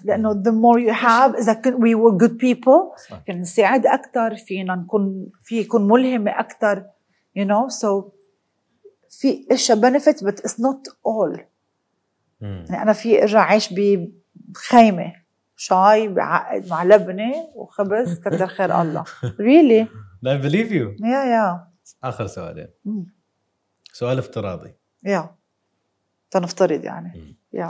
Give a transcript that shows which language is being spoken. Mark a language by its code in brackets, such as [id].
[ar] لأنه [en] the more you have, is that we were good people. [ar] كنا نساعد أكثر فينا نكون في يكون ملهمة أكثر, [en] you know. So, [ar] في إشة [en] benefits, but it's not all. [ar] يعني أنا في إرجع عايش بخيمة, شاي مع لبنة وخبز كتر خير الله. [en] Really? I believe you. Yeah, yeah. [ar] آخر سؤالين. سؤال افتراضي. [en] Yeah. [ar] تنفترض يعني. [en] Yeah.